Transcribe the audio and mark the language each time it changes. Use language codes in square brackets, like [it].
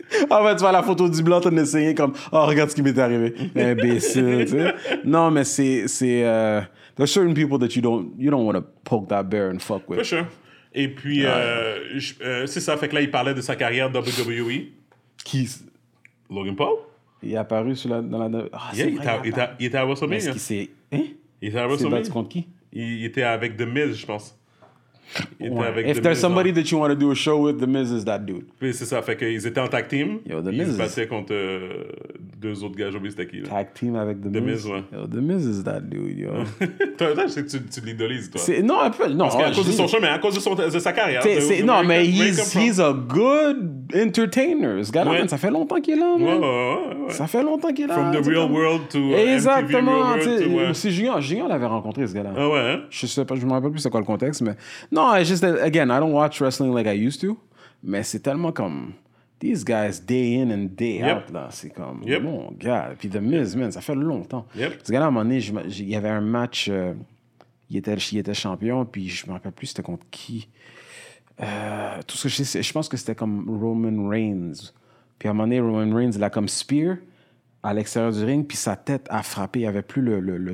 [fr] En fait, tu vois la photo du blanc, t'en essayais comme, oh, regarde ce qui m'est arrivé. Imbécile, tu sais. Non, mais c'est. [en] There's certain people that you don't want to poke that bear and fuck with. For sure. [fr] Et puis, c'est ça, fait que là, il parlait de sa carrière WWE. Qui? Logan Paul? Il est apparu sur la, dans la. Ah, oh, yeah, c'est il vrai. Il était à WrestleMania. Est-ce qu'il s'est. Hein? Il était à WrestleMania. Tu comptes qui? Il était avec The Miz, je pense. Ouais. [en] If there's somebody that you want to do a show with, The Miz is that dude. [fr] Puis c'est ça, fait qu'ils étaient en tag team. [en] Yo, The Miz. [fr] Ils battaient contre deux autres gars, j'ai oublié c'était qui. Là. Tag team avec The Miz. The Miz, ouais. [en] Yo, The Miz is that dude, yo. [fr] Toi, je sais que tu l'idolises, toi. C'est, non, un peu. Non, parce qu'à cause de son show, mais à cause de sa carrière. C'est, non, mais [en] he's a good entertainer. [fr] Ce gars-là, ouais. Ça fait longtemps qu'il est là. Ouais, ouais, ouais. Ça fait longtemps qu'il est là. [en] From the real world to. Exactement. [fr] Si Julien l'avait rencontré, ce gars-là. Ah ouais. Je sais pas, je me rappelle plus c'est quoi le contexte, mais. [en] Non, it's just that, again, I don't watch wrestling like I used to, [fr] mais c'est tellement comme, [en] these guys, day in and day yep. [fr] out, là, c'est comme, yep. mon gars, puis The Miz, yep. man, ça fait longtemps. [en] Yep. [fr] Ce gars-là, à un moment donné, il y avait un match, il était champion, puis je me rappelle plus c'était contre qui. Tout ce que je sais, je pense que c'était comme Roman Reigns. Puis à un moment donné, Roman Reigns, il a comme spear à l'extérieur du ring, puis sa tête a frappé, il n'y avait plus le